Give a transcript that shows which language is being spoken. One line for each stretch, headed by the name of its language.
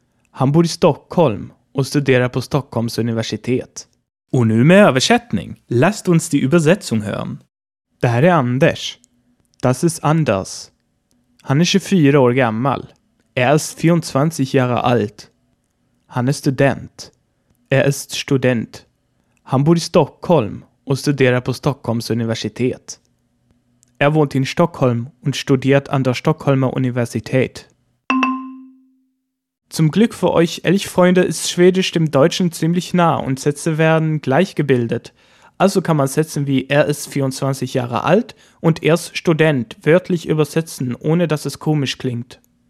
Swedish: Han bor i Stockholm och studerar på Stockholms universitet. Och nu med översättning.
German: Lasst uns die Übersetzung hören.
Swedish: Det här är Anders.
German: Das ist Anders.
Swedish: Han är 24 år gammal.
German: Ist 24 Jahre alt.
Swedish: Han är student.
German: Ist student.
Swedish: Han bor i Stockholm och studerar på Stockholms universitet.
German: Wohnt in Stockholm und studiert an der Stockholmer Universität. Zum Glück für euch Elchfreunde ist Schwedisch dem Deutschen ziemlich nah und Sätze werden gleich gebildet. Also kann man Sätze wie ist 24 Jahre alt und ist Student wörtlich übersetzen, ohne dass es komisch klingt.